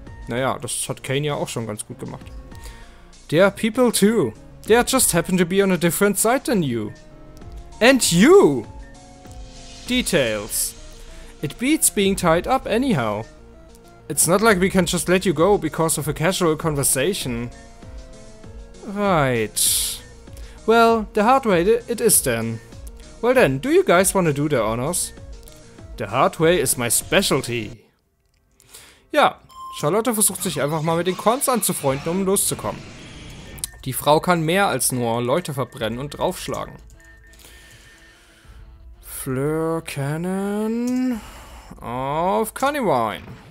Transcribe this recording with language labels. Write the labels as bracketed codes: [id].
[de] Naja, das hat Kane ja auch schon ganz gut gemacht. [en] They are people too. They just happen to be on a different side than you. And you! Details. It beats being tied up anyhow. It's not like we can just let you go because of a casual conversation. Right. Well, the hard way it is then. Well then, do you guys want to do the honors? The hard way is my specialty. [de] Ja, Charlotte versucht sich einfach mal mit den Quans anzufreunden, um loszukommen. Die Frau kann mehr als nur Leute verbrennen und draufschlagen. Fleur Cannon auf Cunnywine.